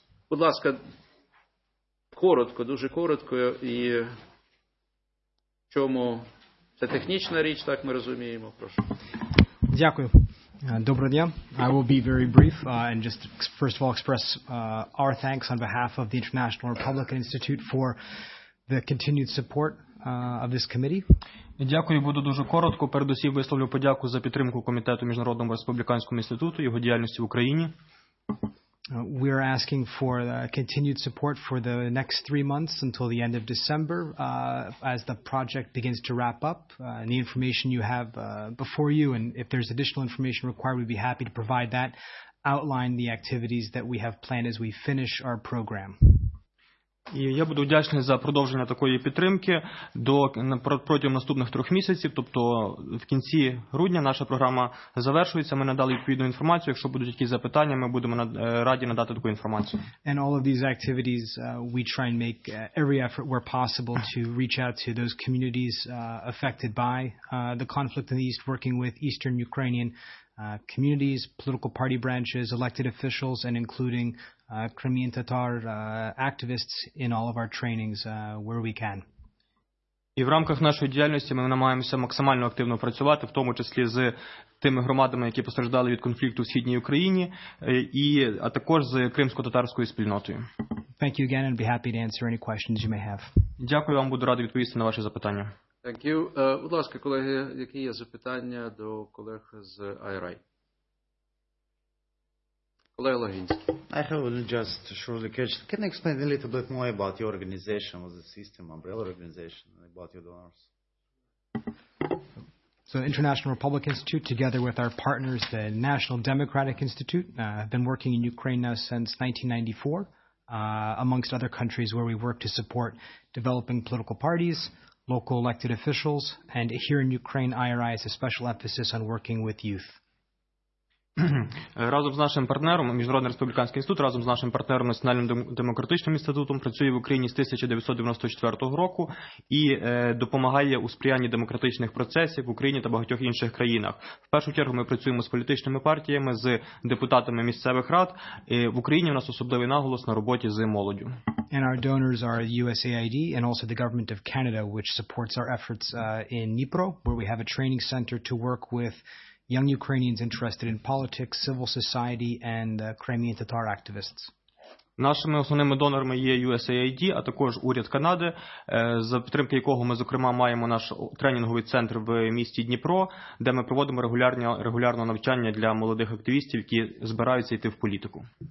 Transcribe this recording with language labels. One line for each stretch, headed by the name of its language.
Ukrainian: Будь ласка, коротко, дуже коротко, і в чому це технічна річ, так ми розуміємо. Прошу. Дякую. Добрий день.
English: I will be very brief and just first of all express our thanks on behalf of the International Republican Institute for the continued support of this committee.
Ukrainian: Дякую, буду дуже коротко. Передусім висловлю подяку за підтримку комітету Міжнародного республіканського інституту, його діяльності в Україні.
English: We are asking for continued support for the next 3 months until the end of December as the project begins to wrap up. And the information you have before you, and if there's additional information required, we'd be happy to provide that, outline the activities that we have planned as we finish our program.
Ukrainian: І я буду вдячний за продовження такої підтримки до протягом наступних 3 місяців, тобто в кінці грудня наша програма завершується. Ми надали відповідну інформацію. Якщо будуть якісь запитання, ми будемо раді надати таку інформацію.
English: And all of these activities, we try and make every effort where possible to reach out to those communities affected by the conflict in the East, working with Eastern Ukrainian communities, political party branches, elected officials, and including Crimean Tatar activists in all of our trainings where we can.
Ukrainian: І в рамках нашої діяльності ми намагаємося максимально активно працювати, в тому числі з тими громадами, які постраждали від конфлікту в Східній Україні, а також з кримсько-татарською спільнотою.
English: Thank you again and be happy to answer any questions you may have.
Ukrainian: Дякую вам, буду радий відповісти на ваші запитання.
English: Thank you.
Ukrainian: Будь ласка, колеги, які є запитання до колег з IRI? Колега Логінський.
English: I have just shortly catched. Can you explain a little bit more about your organization, or the system, umbrella organization, about your donors? So International Republic Institute, together with our partners, the National Democratic Institute, have been working in Ukraine now since 1994, amongst other countries where we work to support developing political parties, local elected officials, and here in Ukraine, IRI has a special emphasis on working with youth.
Ukrainian: Разом з нашим партнером, Міжнародний республіканський інститут, разом з нашим партнером Національним демократичним інститутом працює в Україні з 1994 року і допомагає у сприянні демократичних процесів в Україні та багатьох інших країнах. В першу чергу ми працюємо з політичними партіями, з депутатами місцевих рад. В Україні у нас особливий наголос на роботі з молоддю.
English: And our donors are USAID and also the government of Canada, which supports our efforts in Dnipro, where we have a training center to work with young Ukrainians interested in politics, civil society, and Crimean Tatar activists.
Ukrainian: Нашими основними донорами є USAID, а також уряд Канади, за підтримки якого ми, зокрема, маємо наш тренінговий центр в місті Дніпро, де ми проводимо регулярне навчання для молодих активістів, які збираються йти в політику.